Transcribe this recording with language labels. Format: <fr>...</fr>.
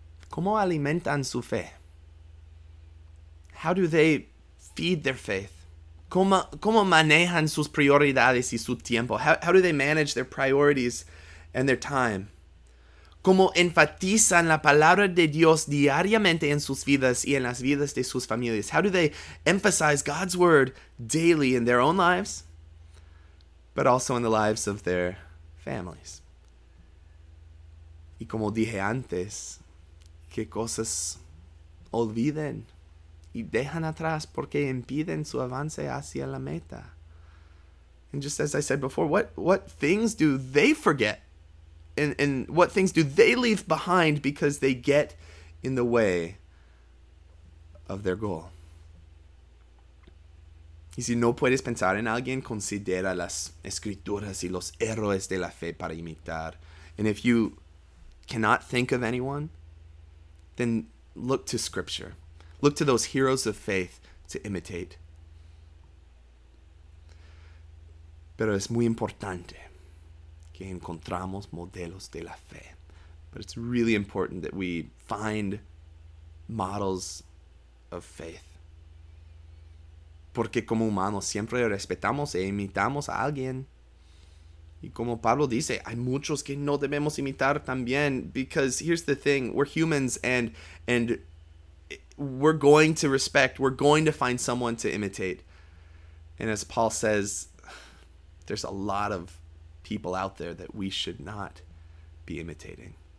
<es>¿Cómo alimentan su fe?</es> <en>How do they feed their faith?</en> <es>¿Cómo manejan sus prioridades y su tiempo?</es> <en>How do they manage their priorities and their time?</en> <es>¿Cómo enfatizan la palabra de Dios diariamente en sus vidas y en las vidas de sus familias?</es> <en>How do they emphasize God's word daily in their own lives, but also in the lives of their families?</en> <es>Y como dije antes, ¿qué cosas olviden y dejan atrás porque impiden su avance hacia la meta?</es> <en>And just as I said before, what things do they forget? And what things do they leave behind because they get in the way of their goal?</en> <es>Y si no puedes pensar en alguien, considera las escrituras y los héroes de la fe para imitar.</es> <en>And if you cannot think of anyone, then look to scripture. Look to those heroes of faith to imitate.</en> <es>Pero es muy importante que encontramos modelos de la fe.</es> <en>But it's really important that we find models of faith.</en> <es>Porque como humanos siempre respetamos e imitamos a alguien. Y como Pablo dice, hay muchos que no debemos imitar también.</es> <en>Because here's the thing, we're humans and we're going to respect, we're going to find someone to imitate. And as Paul says, there's a lot of people out there that we should not be imitating.</en>